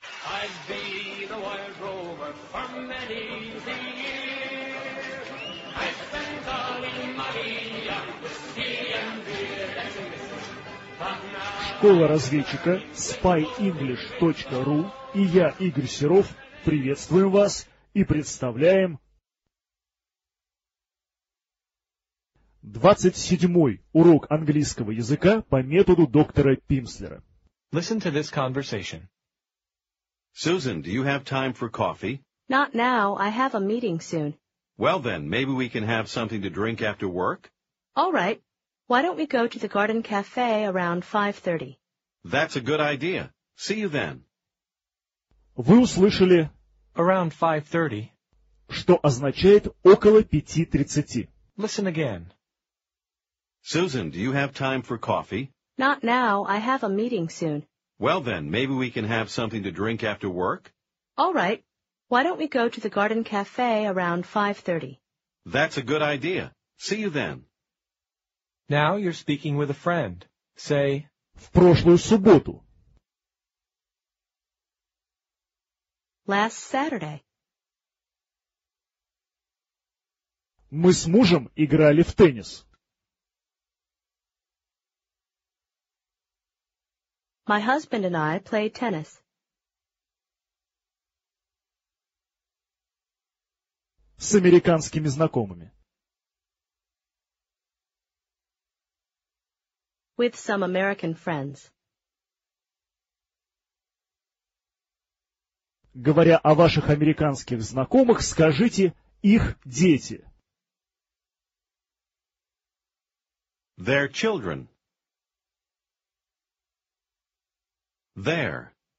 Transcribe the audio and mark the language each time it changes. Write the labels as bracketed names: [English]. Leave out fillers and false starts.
[English] I'd be the Wild Rover for many a year. I spent all my money on whiskey and beer. [Russian] Школа разведчика spyenglish.ru и я, Игорь Серов, приветствуем вас и представляем 27-й урок английского языка по методу доктора Пимслера. [English] Listen to this conversation. Susan, do you have time for coffee? Not now, I have a meeting soon. Well then, maybe we can have something to drink after work? All right. Why don't we go to the Garden Cafe around 5:30? That's a good idea. See you then. [Russian] Вы услышали [English] around 5:30, [Russian] что означает около 5:30. [English] Listen again. Susan, do you have time for coffee? Not now, I have a meeting soon. Well then, maybe we can have something to drink after work? All right. Why don't we go to the Garden Cafe around 5:30? That's a good idea. See you then. Now you're speaking with a friend. Say, [Russian] в прошлую субботу. [English] Last Saturday. [Russian] Мы с мужем играли в теннис. [English] My husband and I played tennis. [Russian] С американскими знакомыми. [English] With some American friends. [Russian] Говоря о ваших американских знакомых, скажите их дети. [English] Their children. Their.